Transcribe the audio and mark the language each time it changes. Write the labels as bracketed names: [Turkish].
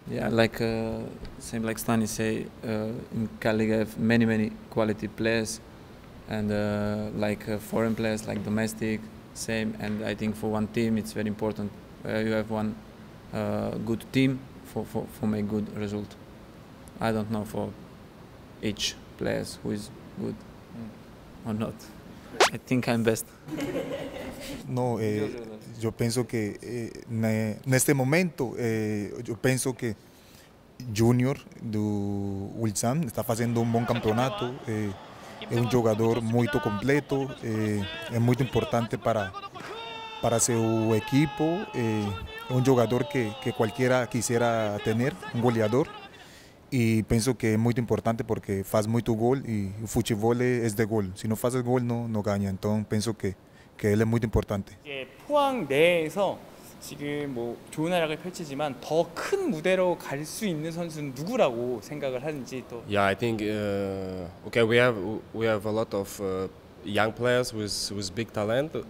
[English] Yeah, like same like Stani say, in K-League have many quality players, and foreign players, like domestic, same. And I think for one team, it's very important. You have one good team for make good result. I don't know for each players who is good or not. I think I'm best. [Spanish] No, yo pienso que en este momento yo pienso que Junior de Ulsan está haciendo un buen campeonato. Es un jugador muy completo. Es muy importante para su equipo. Es un jugador que cualquiera quisiera tener, un goleador. Y pienso que es muy importante porque faz mucho gol y el fútbol es de gol. Si no faz el gol, no gana. Entonces pienso que él es muy importante. [Korean] 이제 포항 내에서 지금 뭐 좋은 활약을 펼치지만 더 큰 무대로 갈 수 있는 선수는 누구라고 생각을 하는지 또. [English] Yeah, I think okay. We have a lot of young players with big talent.